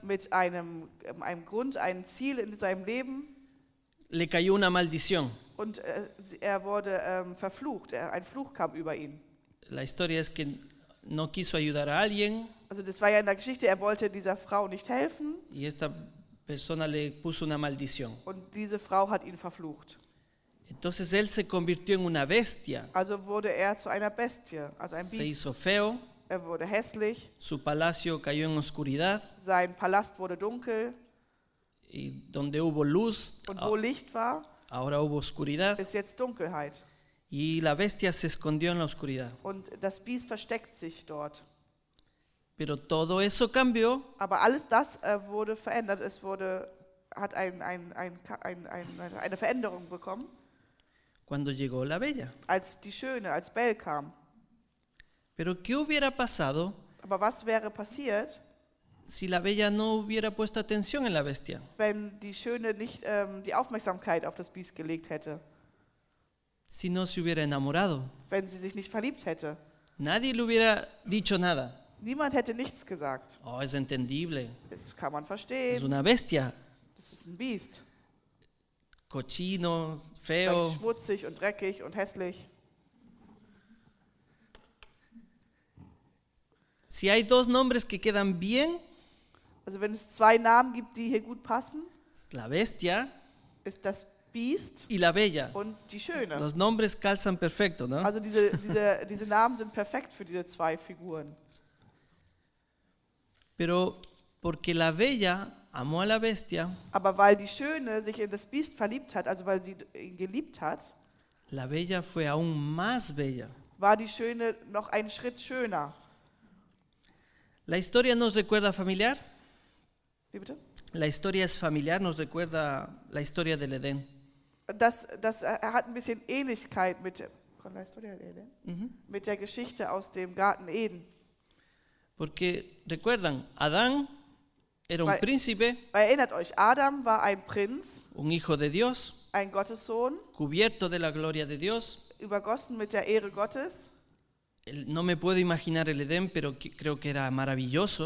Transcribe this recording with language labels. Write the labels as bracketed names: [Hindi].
[German] Mit einem Grund, einem Ziel in seinem Leben. [Spanish] Le cayó una maldición. [German] Und er wurde verflucht, ein Fluch kam über ihn. [Spanish] La historia es que no quiso ayudar a alguien. [German] Also das war ja in der Geschichte, er wollte dieser Frau nicht helfen. [Spanish] Y esta persona le puso una maldición. [German] Und diese Frau hat ihn verflucht. [Spanish] Entonces él se convirtió en una bestia. [German] Also wurde er zu einer Bestie, also ein Biest. [Spanish] Se hizo feo. [German] Er wurde hässlich. [Spanish] Su palacio cayó en oscuridad. [German] Sein Palast wurde dunkel. [Spanish] Y donde hubo luz, [German] und wo Licht war, [Spanish] ahora hubo oscuridad, [German] ist jetzt Dunkelheit. [Spanish] Y la bestia se escondió en la oscuridad. [German] Und das Biest versteckt sich dort. [Spanish] Pero todo eso cambió. [German] Aber alles das wurde verändert. Es wurde, hat eine Veränderung bekommen. [Spanish] Cuando llegó la bella. [German] Als die Schöne, als Belle kam. [Spanish] Pero qué hubiera pasado, [German] aber was wäre passiert, [Spanish] si la bella no hubiera puesto atención en la bestia. [German] Wenn die Schöne nicht die Aufmerksamkeit auf das Biest gelegt hätte. [Spanish] Si no se hubiera enamorado. [German] Wenn sie sich nicht verliebt hätte. [Spanish] Nadie le hubiera dicho nada. [German] Niemand hätte nichts gesagt. [Spanish] Oh, es entendible. [German] Das kann man verstehen. [Spanish] Es una bestia. [German] Das ist ein Biest. [Spanish] Cochino, feo. [German] Vielleicht schmutzig und dreckig und hässlich. [Spanish] Si hay dos nombres que quedan bien, [German] also wenn es zwei Namen gibt, die hier gut passen, [Spanish] la bestia, [German] ist das Beast [Spanish] y la Bella. [German] Und die Schöne. [Spanish] Los nombres calzan perfecto, ¿no? [German] Also diese Namen sind perfekt für diese zwei Figuren. [Spanish] Pero porque la Bella amó a la Bestia. [German] Aber weil die Schöne sich in das Biest verliebt hat, also weil sie ihn geliebt hat. [Spanish] La Bella fue aún más bella. [German] War die Schöne noch einen Schritt schöner. [Spanish] La historia nos recuerda familiar. [German] Wie bitte? [Spanish] La historia es familiar, nos recuerda la historia del Edén. [German] Das hat ein bisschen Ähnlichkeit mit [Spanish] la historia del Edén. [German] Mit der Geschichte aus dem Garten Eden. [Spanish] Porque recuerdan, Adán era un príncipe. [German] Erinnert euch, Adam war ein Prinz. [Spanish] Un hijo de Dios. [German] Ein Gottessohn. [Spanish] Cubierto de la gloria de Dios. [German] Übergossen mit der Ehre Gottes. [Spanish] No me puedo imaginar el Edén, pero creo que era maravilloso.